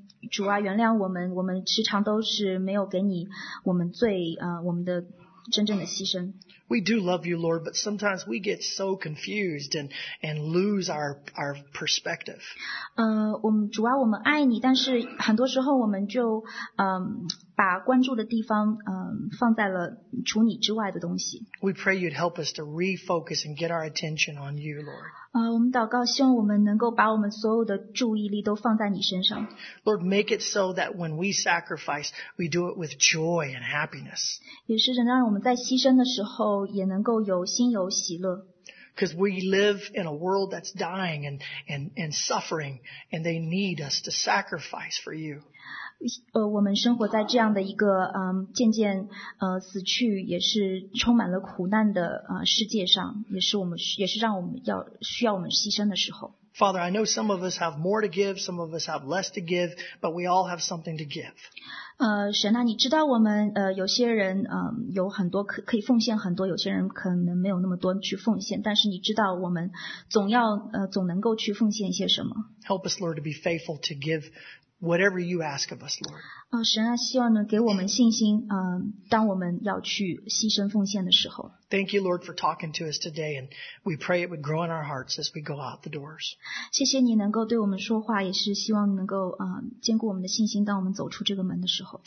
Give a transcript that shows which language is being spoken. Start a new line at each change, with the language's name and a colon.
Chinese: 主啊，原谅我们，我们时常都是没有给你我们最我们的真正的牺牲。
English: We do love you, Lord, but sometimes we get so confused and lose our perspective.
Chinese: 主啊，我们爱你，但是很多时候我们就把关注的地方放在了除你之外的东西。
English: We pray you'd help us to refocus and get our attention on you, Lord.
Chinese: 我们祷告，希望我们能够把我们所有的注意力都放在你身上。
English: Lord, make it so that when we sacrifice, we do it with joy and happiness.
Chinese: 也是让我们在牺牲的时候也能够有心有喜乐。
English: Because we live in a world that's dying and suffering, and they need us to sacrifice for you.
Chinese: 我们生活在这样的一个渐渐死去也是充满了苦难的世界上，也是让我们要需要我们牺牲的时候。
English: Father, I know some of us have more to give, some of us have less to give, but we all have something to give.
Chinese: 神啊，你知道我们有些人有很多可以奉献很多，有些人可能没有那么多去奉献，但是你知道我们总能够去奉献一些什么。
English: Help us, Lord, to be faithful to give. Whatever you ask of us, Lord.
Chinese: 神啊，希望能给我们信心，当我们要去牺牲奉献的时候。
English: Thank you, Lord, for talking to us today, and we pray it would grow in our hearts as we go out the doors.
Chinese: 谢谢你能够对我们说话，也是希望能够坚固我们的信心，当我们走出这个门的时候。